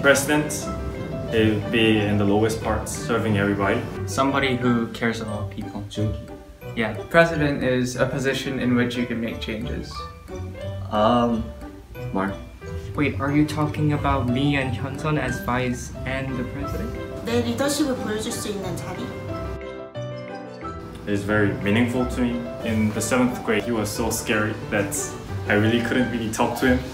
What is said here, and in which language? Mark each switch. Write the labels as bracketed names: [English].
[English] President, it'd be in the lowest parts, serving everybody. Somebody who cares about people. Jung. Yeah, president is a position in which you can make changes. Mark. Wait, are you talking about me and Hyunsun as vice and the president? [Korean] 내 리더십을 보여줄 수 있는 자리. [English] It's very meaningful to me. In the 7th grade, he was so scary that I really couldn't really talk to him.